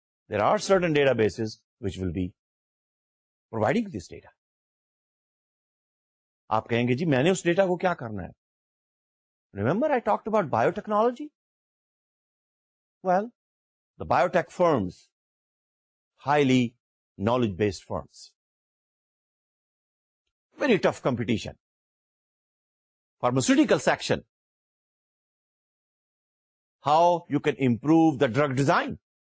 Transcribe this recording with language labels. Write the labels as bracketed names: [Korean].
[English] There are certain databases which will be providing this data. [Urdu] آپ کہیں گے جی میں نے اس ڈیٹا کو کیا کرنا ہے. [English] Remember I talked about biotechnology. Well the biotech firms highly knowledge based firms very tough competition. Pharmaceutical section how you can improve the drug design.